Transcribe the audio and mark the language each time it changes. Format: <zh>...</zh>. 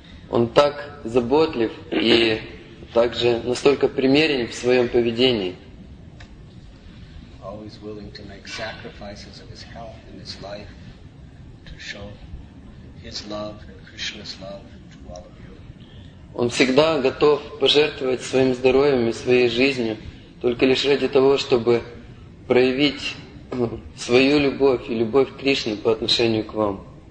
<ru>Он так заботлив и также настолько примерен в своем поведении.</ru> <en>Always willing to make sacrifices of his health and his life to show his love and Krishna's love to all of you.</en> <ru>Он всегда готов пожертвовать своим здоровьем и своей жизнью только лишь ради того, чтобы проявить свою любовь и любовь Кришны по отношению к вам.</ru>